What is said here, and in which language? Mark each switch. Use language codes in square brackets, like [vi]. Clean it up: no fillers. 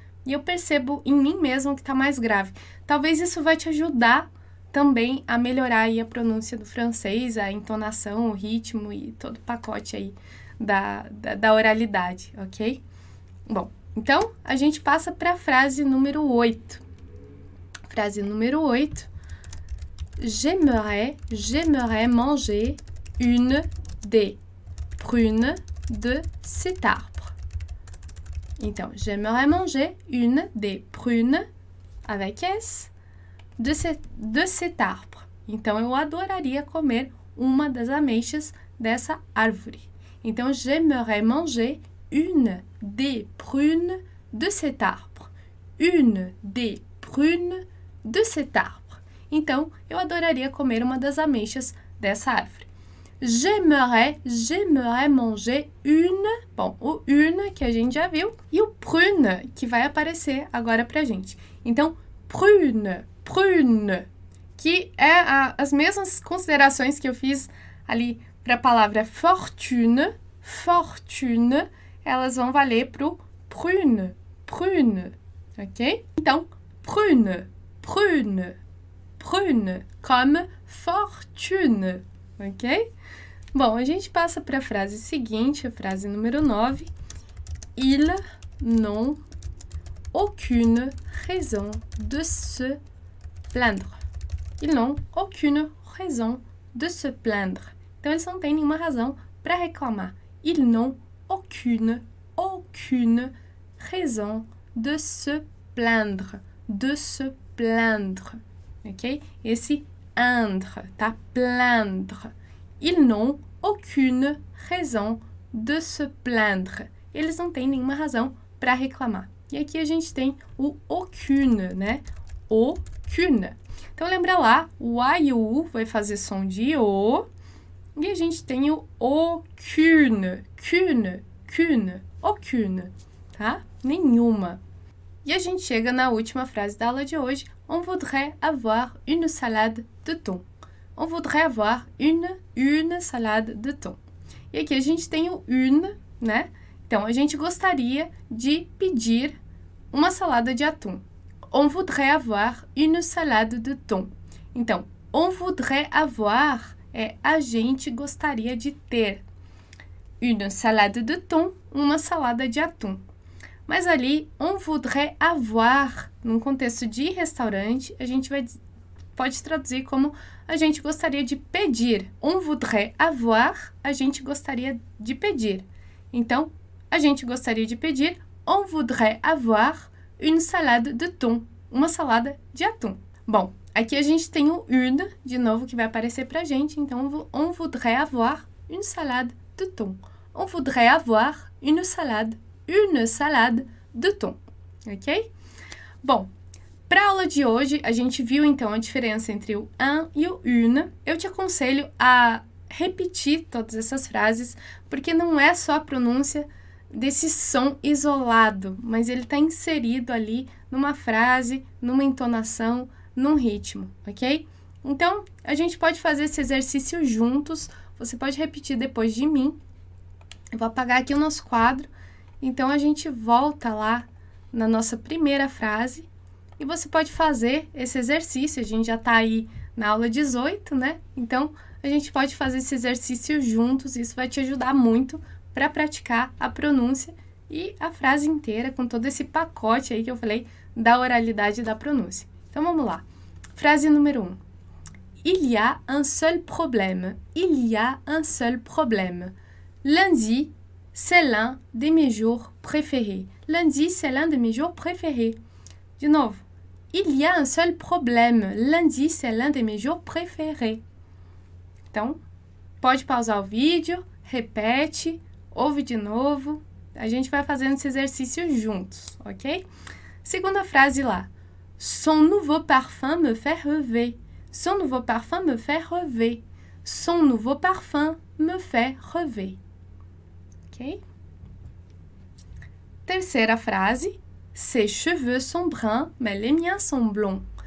[pt] E eu percebo em mim mesmo que está mais grave. Talvez isso vai te ajudar também a melhorar aí a pronúncia do francês, a entonação, o ritmo e todo o pacote aí da oralidade, ok? Bom, então a gente passa para a frase número 8. Frase número 8. [fr] J'aimerais manger une des prunes de cet arbre. [pt] Então, [fr] j'aimerais manger une des prunes avec S de cet arbre. [pt] Então, eu adoraria comer uma das ameixas dessa árvore. Então, [fr] j'aimerais manger une des prunes de cet arbre. Une des prunes de cet arbre. [pt] Então, eu adoraria comer uma das ameixas dessa árvore. [fr] J'aimerais manger une. [pt] Bom, o une que a gente já viu e o prune que vai aparecer agora pra gente. Então, prune, prune, que é as mesmas considerações que eu fiz ali para a palavra fortune, fortune, elas vão valer pro prune, prune, ok? Então, prune, prune, prune, [fr] comme fortune, [pt] ok? Bom, a gente passa para a frase seguinte, a frase número 9. [fr] Ils n'ont aucune raison de se plaindre. Ils n'ont aucune raison de se plaindre. [pt] Então, eles não têm nenhuma razão para reclamar. [fr] Ils n'ont aucune, aucune raison de se plaindre. De se plaindre. [pt] Ok? Esse andre, tá? Plaindre. [fr] Ils n'ont aucune raison de se plaindre. [pt] Eles não têm nenhuma razão para reclamar. E aqui a gente tem o aucune, né? Aucune. Então lembra lá, o A e o U vai fazer som de O. E a gente tem o aucune, cune, cune, aucune, tá? Nenhuma. E a gente chega na última frase da aula de hoje. [fr] On voudrait avoir une salade de thon. On voudrait avoir une salade de thon. [pt] E aqui a gente tem o une, né? Então, a gente gostaria de pedir uma salada de atum. [fr] On voudrait avoir une salade de thon. [pt] Então, [fr] on voudrait avoir [pt] é a gente gostaria de ter. [fr] Une salade de thon, [pt] uma salada de atum. Mas ali, [fr] on voudrait avoir, [pt] num contexto de restaurante, a gente vai pode traduzir como a gente gostaria de pedir. [fr] On voudrait avoir, [pt] a gente gostaria de pedir. Então, a gente gostaria de pedir. [fr] On voudrait avoir une salade de thon. [pt] Uma salada de atum. Bom, aqui a gente tem o une, de novo, que vai aparecer para a gente. Então, [fr] on voudrait avoir une salade de thon. On voudrait avoir une salade de thon. [pt] Ok? Bom. Para a aula de hoje, a gente viu então a diferença entre o un e o une. Eu te aconselho a repetir todas essas frases, porque não é só a pronúncia desse som isolado, mas ele está inserido ali numa frase, numa entonação, num ritmo, ok? Então, a gente pode fazer esse exercício juntos. Você pode repetir depois de mim. Eu vou apagar aqui o nosso quadro. Então, a gente volta lá na nossa primeira frase. E você pode fazer esse exercício. A gente já está aí na aula 18, né? Então, a gente pode fazer esse exercício juntos. Isso vai te ajudar muito para praticar a pronúncia e a frase inteira, com todo esse pacote aí que eu falei da oralidade e da pronúncia. Então, vamos lá. Frase número 1. [fr] Il y a un seul problème. Il y a un seul problème. Lundi, C'est l'un de mes jours préférés. Lundi, c'est l'un de mes jours préférés. De nouveau, il y a un seul problème. Lundi, c'est l'un de mes jours préférés. [pt] Então, pode pausar o vídeo, repete, ouve de novo. A gente vai fazendo esse exercício juntos, ok? Segunda frase lá. [fr] Son nouveau parfum me fait rêver. Son nouveau parfum me fait rêver. Son nouveau parfum me fait rêver. Ok? [pt] Terceira frase. [fr] Ses cheveux sont bruns, mais les miens sont blonds.